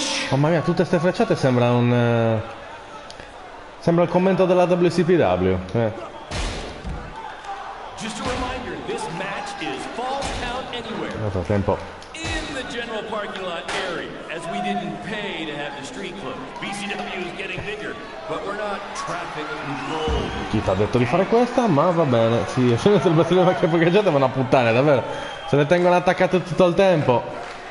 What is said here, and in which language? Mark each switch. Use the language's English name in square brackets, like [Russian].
[Italian] Oh, mamma mia, tutte ste frecciate sembra un. Sembra il commento della WCPW. [English] Just a reminder, this match is false count anywhere. [Italian] Nel frattempo, [English] the general parking lot area, as we didn't pay to have the street closed. BCW is getting bigger, but we're not traffic controlled. [Italian] Chi ti ha detto di fare questa? Ma va bene, sì, scendo sul battaglio della macchina parcheggiata, ma una puttana, davvero. Se ne tengono attaccate tutto il tempo.